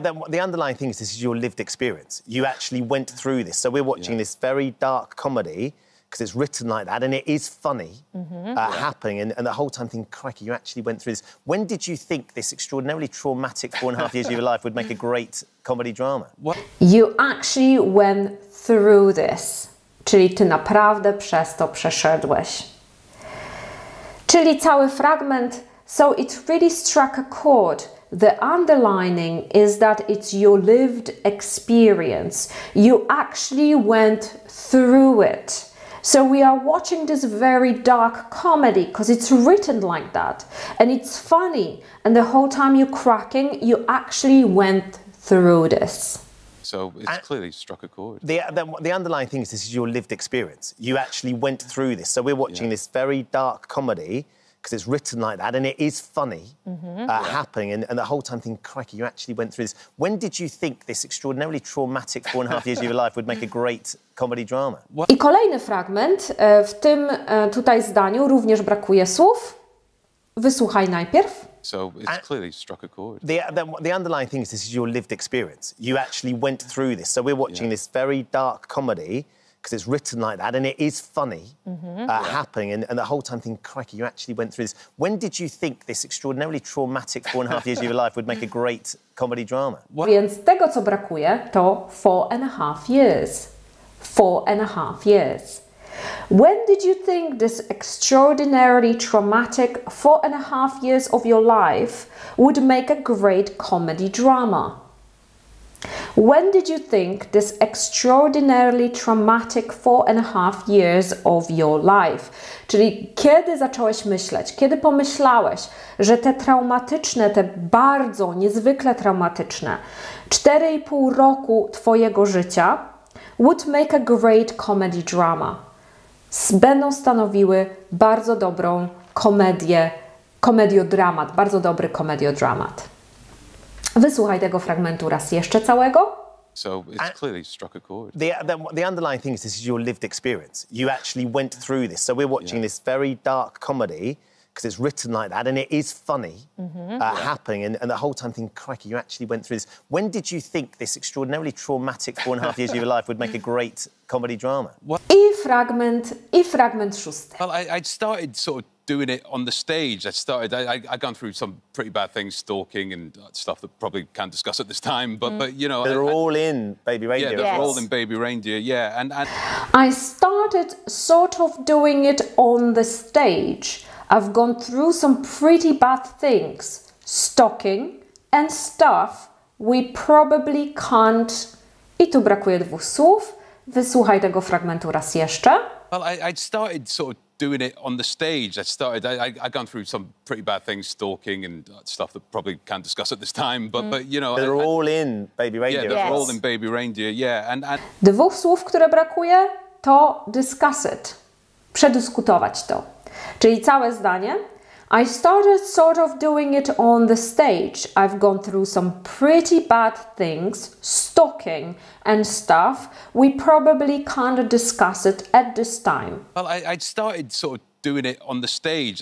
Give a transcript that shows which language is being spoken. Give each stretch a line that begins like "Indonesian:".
English: The underlying thing is this is your lived experience. You actually went through this. So we're watching this very dark comedy, because it's written like that, and it is funny happening, and the whole time thinking, crikey, you actually went through this. When did you think this extraordinarily traumatic 4.5 years of your life would make a great comedy drama? What? You actually went through this.
Polish: Czyli ty naprawdę przez to przeszedłeś. Czyli cały fragment.
English: So it really struck a chord. The underlining is that it's your lived experience. You actually went through it. So we are watching this very dark comedy because it's written like that and it's funny and the whole time you're cracking, you actually went through this. So it's clearly struck a chord. The underlying thing is this is your lived experience. You actually went through this. So we're watching this very dark comedy because it's written like that and it is funny happening and the whole time thinking, crikey, you actually went through this. When did you think this extraordinarily traumatic 4.5 years of your life would make a great comedy drama? What?
Polish: I kolejny fragment, w tym tutaj zdaniu również brakuje słów. Wysłuchaj najpierw.
English: So it's clearly struck a chord. The underlying thing is this is your lived experience. You actually went through this. So we're watching this very dark comedy because it's written like that and it is funny happening and the whole time thinking, crikey, you actually went through this. When did you think this extraordinarily traumatic 4.5 years of your life would make a great comedy drama?
Polish: What? Więc tego, co brakuje, to
English: 4.5 years. 4.5 years. When did you think this extraordinarily traumatic 4.5 years of your life would make a great comedy drama? When did you think this extraordinarily traumatic 4.5 years of your life?
Polish: Czyli kiedy zacząłeś myśleć, kiedy pomyślałeś, że te traumatyczne, te bardzo, niezwykle traumatyczne 4,5 roku twojego życia
English: would make a great comedy drama.
Polish: Będą stanowiły bardzo dobrą komedię, komediodramat, bardzo dobry komediodramat. Wysłuchaj tego fragmentu raz jeszcze całego.
English: So it's clearly struck a chord. The underlying thing is this is your lived experience. You actually went through this. So we're watching this very dark comedy because it's written like that and it is funny happening and the whole time thinking, crikey, you actually went through this. When did you think this extraordinarily traumatic 4.5 years of your life would make a great comedy drama?
Polish: What? I fragment szósty.
English: Well, I started sort of doing it on the stage. I'd gone through some pretty bad things, stalking and stuff that probably can't discuss at this time, but you know. They're all in Baby Reindeer. Yeah, they're all in Baby Reindeer, yeah. And I started sort of doing it on the stage. I've gone through some pretty bad things, stalking and stuff we probably can't.
Polish: I tu brakuje dwóch słów. Wysłuchaj tego fragmentu raz jeszcze.
English: Well, I'd started sort of doing it on the stage. I'd gone through some pretty bad things, stalking and stuff that probably can't discuss at this time, but you know. They're all in Baby Reindeer. Yeah, they're all in Baby Reindeer, yeah. And
Polish: dwóch słów, które brakuje, to
English: discuss it.
Polish: Przedyskutować to. Czyli całe zdanie.
English: I started sort of doing it on the stage. I've gone through some pretty bad things, stalking and stuff. We probably can't discuss it at this time. Well, I started sort of doing it on the stage.